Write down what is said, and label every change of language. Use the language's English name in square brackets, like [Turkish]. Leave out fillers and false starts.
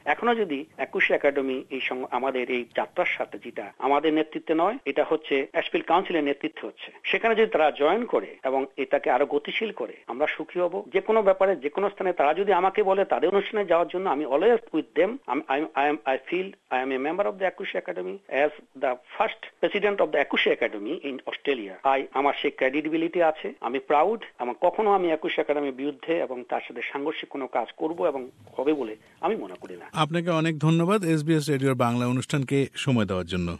[Bangla] এখনো যদি একুশে একাডেমি এই আমাদের এই যাত্রার সাথে, যেটা আমাদের নেতৃত্বে নয় এটা হচ্ছে অ্যাশভিল কাউন্সিলের নেতৃত্বে হচ্ছে, সেখানে যদি তারা জয়েন করে এবং এটাকে আরো গতিশীল করে আমরা সুখী হব। যে কোনো ব্যাপারে যে কোনো স্থানে তারা যদি আমাকে বলে তাদের অনুষ্ঠানে যাওয়ার জন্য আমি [English] Always with them. I feel I am a member of the Akushi Academy as the first president of the Akushi Academy in Australia. [Bangla] আমার সেই ক্রেডিবিলিটি আছে, আমি প্রাউড এবং কখনো আমি Akushi Academy বিরুদ্ধে এবং তার সাথে সাংঘর্ষিক কোনো কাজ করব এবং হবে বলে আমি মনে করি না। আপনাকে অনেক ধন্যবাদ SBS রেডিওর বাংলা অনুষ্ঠানকে সময় দেওয়ার জন্য।